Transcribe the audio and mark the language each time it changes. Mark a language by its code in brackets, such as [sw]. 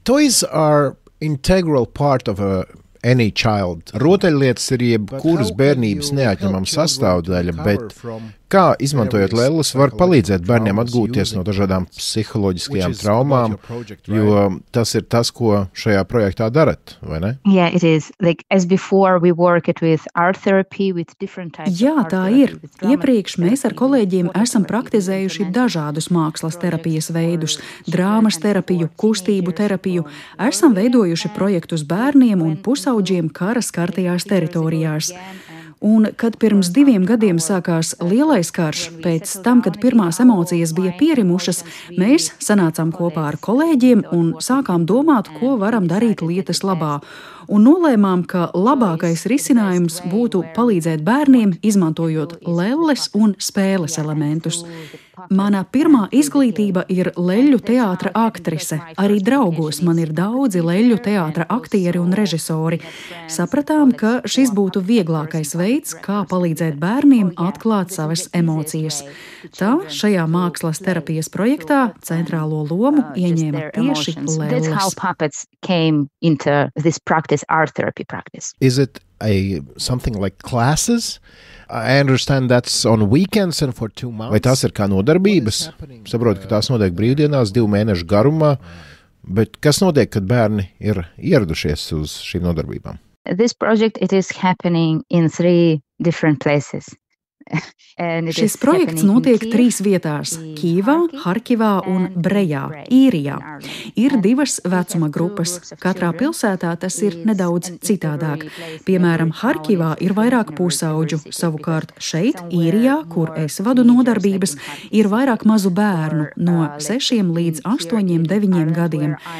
[en] Toys are integral part of any child. [lv] Rotaļlietas ir jebkuras bērnības neatņemama sastāvdaļa, bet kā izmantojot lelles var palīdzēt bērniem atgūties no dažādām psiholoģiskajām traumām, jo tas ir tas, ko šajā projektā darat, vai ne? [en] Yeah, it is. Like as before we work it with art therapy with different types. [lv] Jā, tā ir. Iepriekš mēs ar kolēģiem esam praktizējuši dažādus mākslas terapijas veidus, drāmas terapiju, kustību terapiju. Esam veidojuši projektus bērniem un pusaudžiem kara skartajās teritorijās. Un kad pirms diviem gadiem sākās lielais karš, pēc tam, kad pirmās emocijas bija pierimušas, mēs sanācām kopā ar kolēģiem un sākām domāt, ko varam darīt lietas labā. Un nolēmām, ka labākais risinājums būtu palīdzēt bērniem, izmantojot lelles un spēles elementus. Mana pirmā izglītība ir leļļu teātra aktrise. Arī draugos man ir daudzi leļļu teātra aktieri un režisori. Sapratām, ka šis būtu vieglākais veids, kā palīdzēt bērniem atklāt savas emocijas. Tā šajā mākslas terapijas projektā centrālo lomu ieņēma tieši lelles. [en] This art therapy practice. Is it something like classes? I understand that's on weekends and for 2 months. [lv] Vai tās ir kā nodarbības? Saprotu, ka tās notiek brīvdienās, 2 mēnešu garumā, bet kas notiek, kad bērni ir ieradušies uz šīm nodarbībām? [en] This project, it is happening in 3 different places. [lv] Šis projekts notiek 3 vietās – Kīvā, Harkivā un Brejā, Īrijā. Ir 2 vecuma grupas. Katrā pilsētā tas ir nedaudz citādāk. Piemēram, Harkivā ir vairāk pusaudžu, savukārt šeit, Īrijā, kur es vadu nodarbības, ir vairāk mazu bērnu no 6 līdz 8–9 gadiem.